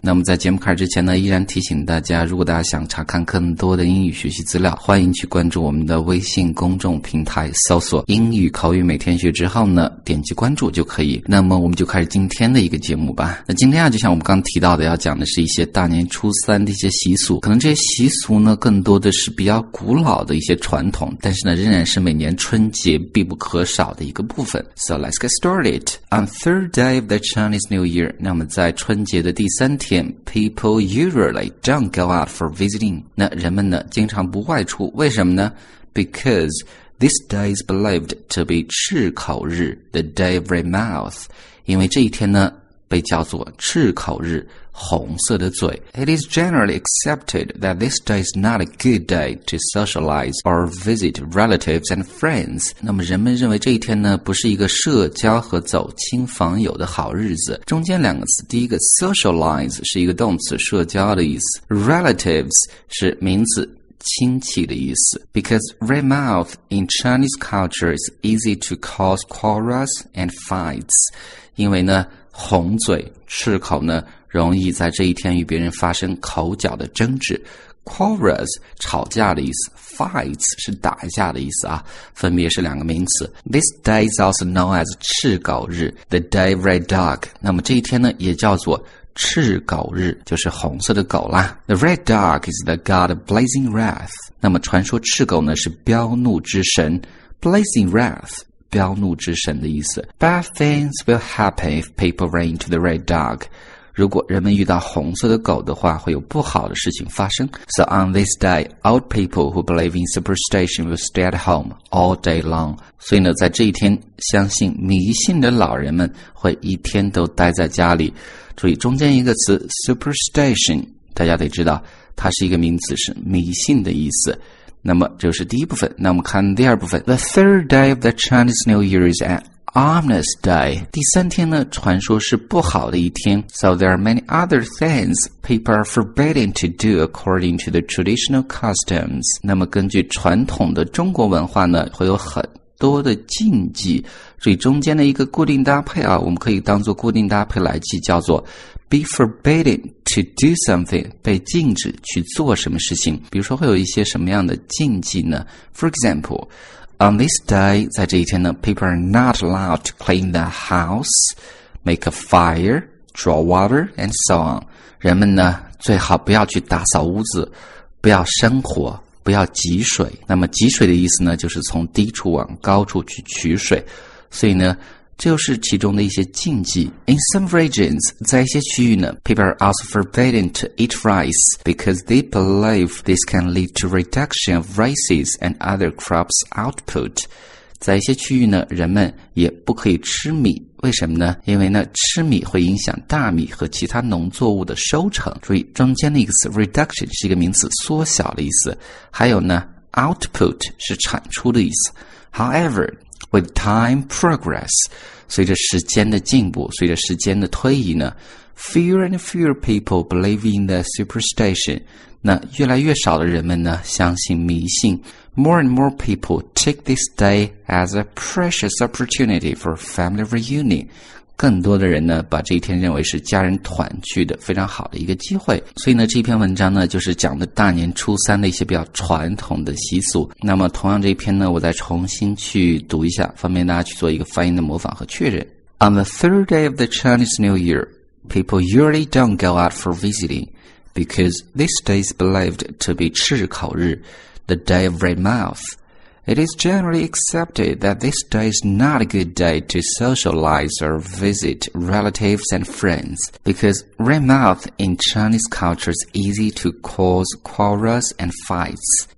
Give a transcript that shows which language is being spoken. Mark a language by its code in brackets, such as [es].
[zh] 那么在节目开始之前呢，依然提醒大家，如果大家想查看更多的英语学习资料，欢迎去关注我们的微信公众平台，搜索英语口语每天学之后呢，点击关注就可以。那么我们就开始今天的一个节目吧。那今天啊，就像我们刚提到的，要讲的是一些大年初三的一些习俗。可能这些习俗呢，更多的是比较古老的一些传统，但是呢，仍然是每年春节必不可少的一个部分。 [en] So let's get started. On third day of the Chinese New Year, [zh] 那么在春节的第三天 [en] ,people usually don't go out for visiting. [zh] 那人们呢，经常不外出，为什么呢？ [en] Because... This day is believed to be 赤口日 the day of red mouth. [zh] 因为这一天呢被叫做赤口日红色的嘴。 [en] It is generally accepted that this day is not a good day to socialize or visit relatives and friends. [zh] 那么人们认为这一天呢不是一个社交和走亲访友的好日子。中间两个词，第一个 socialize 是一个动词，社交的意思。 Relatives 是名词，亲戚的意思。 [en] Because red mouth in Chinese culture is easy to cause quarrels and fights. [zh] 因为呢红嘴赤口呢容易在这一天与别人发生口角的争执。 Quarrels 吵架的意思， fights 是打架的意思啊，分别是两个名词。 [en] This day is also known as 赤狗日 the day of red dog. [zh] 那么这一天呢也叫做赤狗日，就是红色的狗啦。 [en] The red dog is the god of blazing wrath. [zh] 那么传说赤狗呢是飙怒之神， blazing wrath 飙怒之神的意思。 [en] Bad things will happen if people run into the red dog. [zh] 如果人们遇到红色的狗的话，会有不好的事情发生。 [en] So on this day, old people who believe in superstition will stay at home all day long. [zh] 所以呢在这一天相信迷信的老人们会一天都待在家里。注意中间一个词 superstition， 大家得知道它是一个名词，是迷信的意思。那么这是第一部分。那我们看第二部分。 [en] The third day of the Chinese New Year is an ominous day. [zh] 第三天呢传说是不好的一天。 [en] So there are many other things people are forbidden to do according to the traditional customs. [zh] 那么根据传统的中国文化呢会有很多的禁忌，所以中间的一个固定搭配啊，我们可以当做固定搭配来记，叫做 [en] be forbidden to do something， [zh] 被禁止去做什么事情。比如说会有一些什么样的禁忌呢？ [en] For example, on this day， [zh] 在这一天呢 [en] people are not allowed to clean the house, make a fire, draw water and so on。 [zh] 人们呢最好不要去打扫屋子，不要生火，不要汲水。那么汲水的意思呢就是从低处往高处去取水，所以呢这就是其中的一些禁忌。 [en] In some regions， [zh] 在一些区域呢 [en] people are also forbidden to eat rice because they believe this can lead to reduction of rices and other crops output。 [zh] 在一些区域呢人们也不可以吃米，为什么呢？因为呢吃米会影响大米和其他农作物的收成。注意中间的一个词 reduction 是一个名词，缩小的意思。还有呢 output 是产出的意思。 [en] However, with time progress， [zh] 随着时间的进步，随着时间的推移呢， [en] fewer and fewer people believe in the superstition， [zh] 那越来越少的人们呢相信迷信。 [en] More and more people take this day as a precious opportunity for family reunion. [zh] 更多的人呢把这一天认为是家人团聚的非常好的一个机会。所以呢这篇文章呢就是讲的大年初三的一些比较传统的习俗。那么同样这一篇呢我再重新去读一下，方便大家去做一个发音的模仿和确认。 [en] On the third day of the Chinese New Year, people usually don't go out for visiting because this day is believed to be 赤口日。 The day of red mouth. It is generally accepted that this day is not a good day to socialize or visit relatives and friends, because red mouth in Chinese culture is easy to cause quarrels and fights.